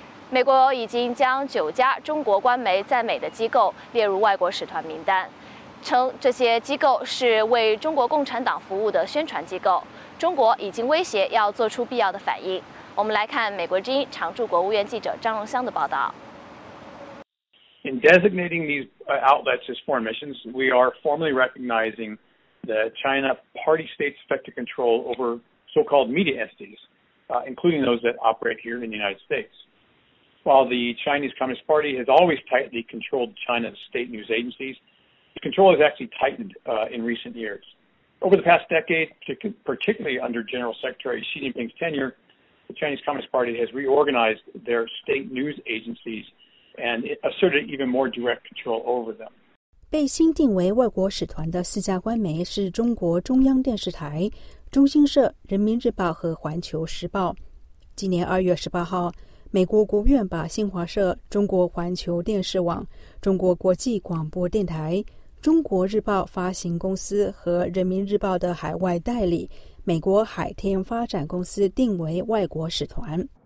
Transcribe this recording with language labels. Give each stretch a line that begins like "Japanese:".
Chinese: 美国已经将9家中国官媒在美的机构列入外国使团名单，称这些机构是为中国共产党服务的宣传机构。中国已经威胁要做出必要的反应。我们来看美国之音常驻国务院记者张荣香的报道。
English: In designating these outlets as foreign missions, we are formally recognizing the China party state's effective control over so-called media entities, including those that operate here in the United States. While the Chinese Communist Party has always tightly controlled China's state news agencies, the control has actually tightened in recent years. Over the past decade, particularly under General Secretary Xi Jinping's tenure, the Chinese Communist Party has reorganized their state news agencies and asserted even more direct control over them.
Chinese: 被新定为外国使团的4家官媒是中国中央电视台、中新社、人民日报和环球时报。今年2月18号，美国国务院把新华社、中国环球电视网、中国国际广播电台、中国日报发行公司和人民日报的海外代理美国海天发展公司定为外国使团。